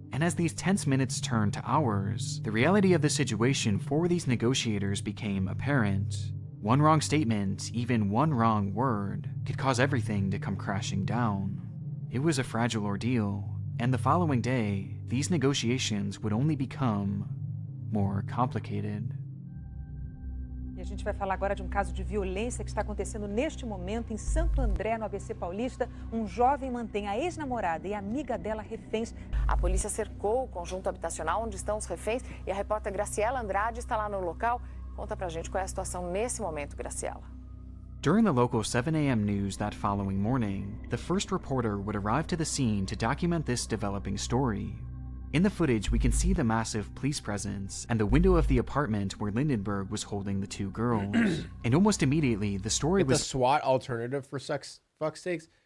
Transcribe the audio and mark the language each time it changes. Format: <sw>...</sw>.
<en>And as these tense minutes turned to hours, the reality of the situation for these negotiators became apparent. One wrong statement, even one wrong word, could cause everything to come crashing down. It was a fragile ordeal, and the following day, these negotiations would only become more complicated.</en> <pt>E a gente vai falar agora de um caso de violência que está acontecendo neste momento em Santo André, no ABC Paulista. Um jovem mantém a ex-namorada e amiga dela reféns. A polícia cercou o conjunto habitacional onde estão os reféns e a repórter Graciela Andrade está lá no local. Conta pra gente qual é a situação nesse momento, Graciela.</pt> <en>During the local 7 a.m. news that following morning, the first reporter would arrive to the scene to document this developing story. In the footage, we can see the massive police presence and the window of the apartment where Lindenberg was holding the two girls. And almost immediately, the story was... The SWAT alternative for sex, fuck's sakes.</en>